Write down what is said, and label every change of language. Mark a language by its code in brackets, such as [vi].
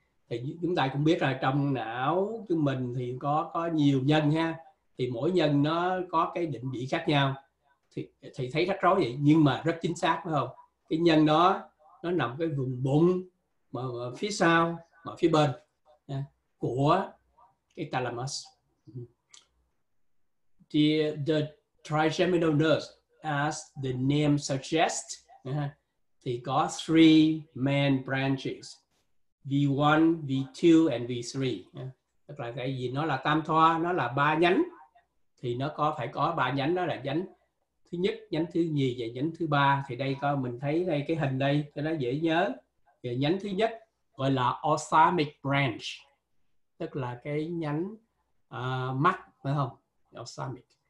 [vi] Thì chúng ta cũng biết là trong não chúng mình thì có nhiều nhân ha, thì mỗi nhân nó có cái định vị khác nhau, thì thấy rắc rối vậy, nhưng mà rất chính xác phải không? Cái nhân đó nó nằm cái vùng bụng mà phía sau mà phía bên nha, của cái thalamus. [en] The trigeminal nerve, as the name suggests, [vi] thì có [en] three main branches, V1, V2 and V3. [vi] Tức là cái gì, nó là tam thoa, nó là ba nhánh, thì nó có phải có ba nhánh, đó là nhánh thứ nhất, nhánh thứ nhì và nhánh thứ ba. Thì đây có, mình thấy đây cái hình đây cho nó dễ nhớ. Thì nhánh thứ nhất gọi là ophthalmic branch, tức là cái nhánh mắt, phải không? Ophthalmic.